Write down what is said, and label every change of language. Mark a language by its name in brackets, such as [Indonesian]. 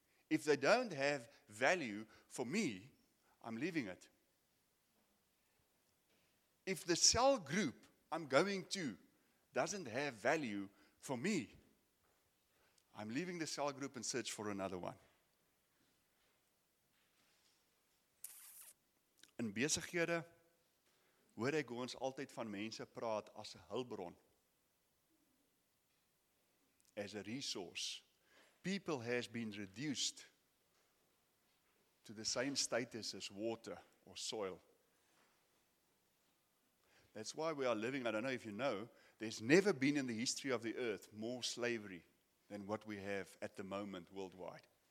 [English] If they don't have value for me, I'm leaving it. If the cell group I'm going to doesn't have value for me, I'm leaving the cell group and search for another one. [Afrikaans] In besighede, hoor ek ons altyd van mense praat as 'n hulpbron. [English] As a resource. People has been reduced to the same status as water or soil. That's why we are living, I don't know if you know, there's never been in the history of the earth more slavery than what we have at the moment worldwide.